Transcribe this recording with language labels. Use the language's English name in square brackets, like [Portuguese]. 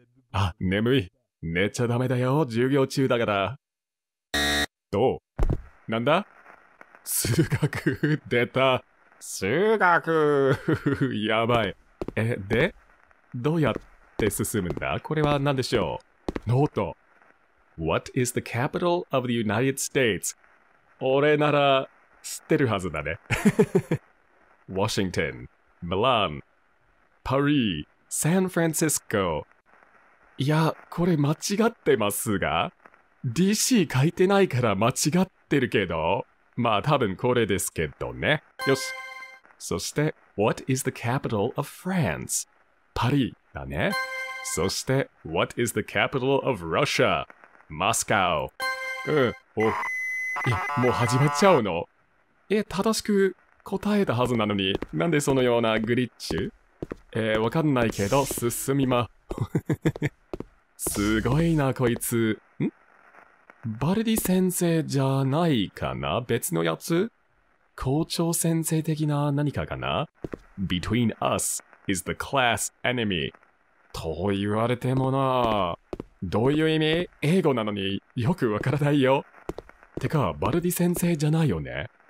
[Japanese] あ、眠い。寝ちゃダメだよ。授業中だから。どう？なんだ？数学出た。数学やばい。え、で、どうやって進むんだ？これは何でしょう？ノート。 [English] What is the capital of the United States? [Japanese] 俺なら知ってるはずだね。 [English] Washington, Milan, Paris, San Francisco。 [Japanese] いや、これ間違ってますが、 DC 書いてないから間違ってるけど、まあ多分これですけどね。よし。そして、 [English] What is the capital of France? [Japanese] パリだね。そして、 [English] What is the capital of Russia? [Japanese] マスカウ。うん、お。え、もう始まっちゃうの？え、正しく答えたはずなのに、なんでそのようなグリッチ？わかんないけど、進みま。すごいな、こいつ。ん？バルディ先生じゃないかな？別のやつ？校長先生的な何かかな？ [English] Between us is the class enemy. [Japanese] と言われてもな。どういう意味？英語なのによくわからないよ。てか、バルディ先生じゃないよね。